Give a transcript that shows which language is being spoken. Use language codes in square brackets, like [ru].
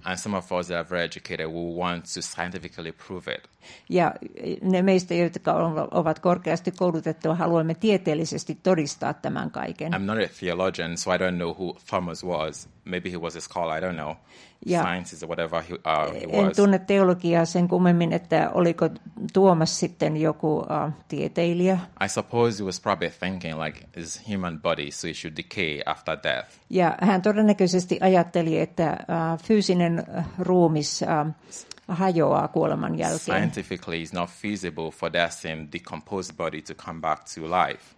[en] And some of us that are very educated will want to scientifically prove it. [fi] Ja ne meistä, jotka ovat korkeasti koulutettuja, haluamme tieteellisesti todistaa tämän kaiken. [en] I'm not a theologian, so I don't know who Thomas was. Maybe he was a scholar, I don't know. [fi] Ja [en] sciences or whatever he was. [fi] En tunne teologiaa sen kummemmin, että oliko Tuomas sitten joku tieteilijä. [en] I suppose he was probably thinking like his human body, so it should decay after death. [fi] Ja hän todennäköisesti ajatteli, että fyysinen ruumis hajoaa kuoleman jälkeen. [en] Scientifically, it's not feasible for that same decomposed body to come back to life.